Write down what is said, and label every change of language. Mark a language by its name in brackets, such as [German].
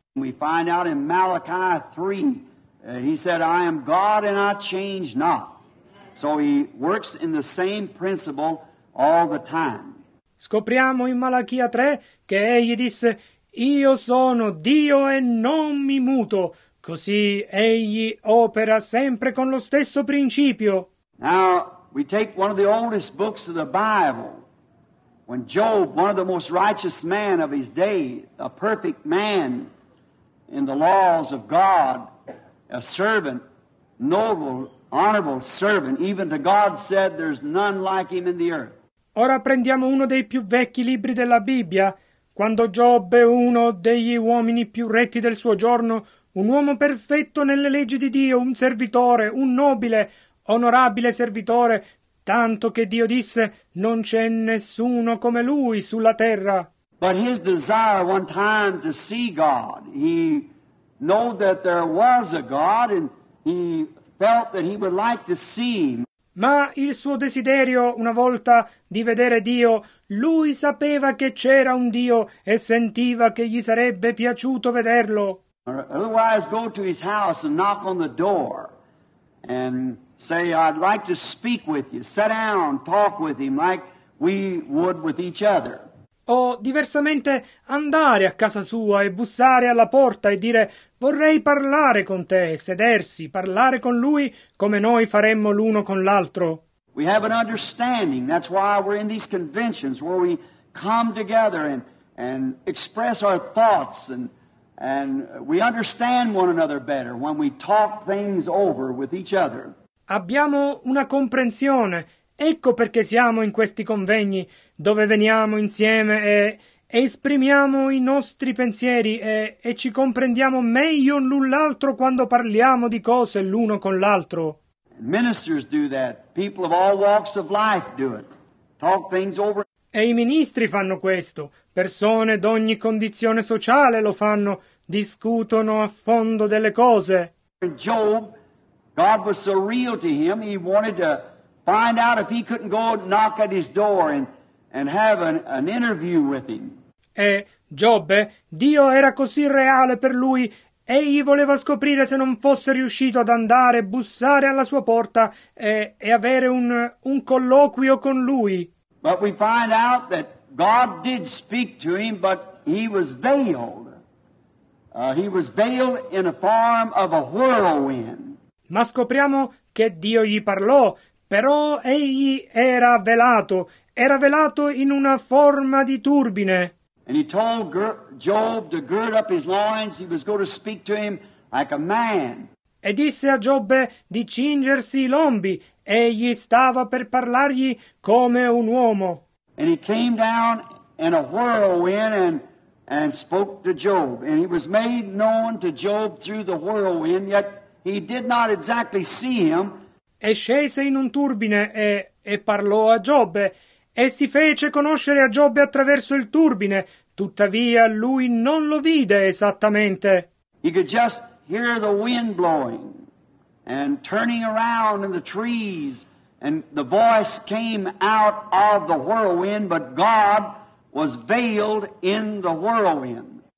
[English] We find out in Malachi 3 he said, I am God and I change not. So he works in the same principle all the time. [Italian] Scopriamo in Malachia 3 che egli disse, Io sono Dio e non mi muto. Così egli opera sempre con lo stesso principio. [English] Now, we take one of the oldest books of the Bible. When Job, one of the most righteous men of his day, a perfect man in the laws of God, a servant, noble, honorable servant, even to God said, there's none like him in the earth. [Italian] Ora prendiamo uno dei più vecchi libri della Bibbia, quando Giobbe, uno degli uomini più retti del suo giorno, un uomo perfetto nelle leggi di Dio, un servitore, un nobile, onorabile servitore, tanto che Dio disse, non c'è nessuno come lui sulla terra. [English] But his desire one time to see God, he know that there was a God and he felt that he would like to see him. [Italian] Ma il suo desiderio una volta di vedere Dio, lui sapeva che c'era un Dio e sentiva che gli sarebbe piaciuto vederlo. [English] Otherwise go to his house and knock on the door and say I'd like to speak with you. Sit down, talk with him like we would with each other. [Italian] O, diversamente, andare a casa sua e bussare alla porta e dire «Vorrei parlare con te», sedersi, parlare con lui come noi faremmo l'uno con l'altro. [English] We have an understanding. That's why we're in these conventions where we come together and express our thoughts and we understand one another better when we talk things over with each other. [Italian] Abbiamo una comprensione. Ecco perché siamo in questi convegni, dove veniamo insieme e esprimiamo i nostri pensieri e ci comprendiamo meglio l'un l'altro quando parliamo di cose l'uno con l'altro. [English] Ministers do that. People of all walks of life do it. Talk things over. [Italian] E i ministri fanno questo. Persone d'ogni condizione sociale lo fanno. Discutono a fondo delle cose. [English] Job, God was so real to him, he wanted to find out if he couldn't go knock at his door and have an interview with him. [Italian] E Giobbe, Dio era così reale per lui, egli voleva scoprire se non fosse riuscito ad andare, bussare alla sua porta e avere un colloquio con lui. [English] But we find out that God did speak to him, but he was veiled. He was veiled in a form of a whirlwind. [Italian] Ma scopriamo che Dio gli parlò, però egli era velato in una forma di turbine. [English] And he told Job to gird up his loins, he was going to speak to him like a man. [Italian] E disse a Giobbe di cingersi i lombi, egli stava per parlargli come un uomo. [English] And he came down in a whirlwind and spoke to Job. And he was made known to Job through the whirlwind, yet he did not exactly see him. [Italian] E scese in un turbine e parlò a Giobbe. E si fece conoscere a Giobbe attraverso il turbine, tuttavia lui non lo vide esattamente. [English] He could just hear the wind blowing and turning around in the trees, and the voice came out of the whirlwind, but God was veiled in the whirlwind.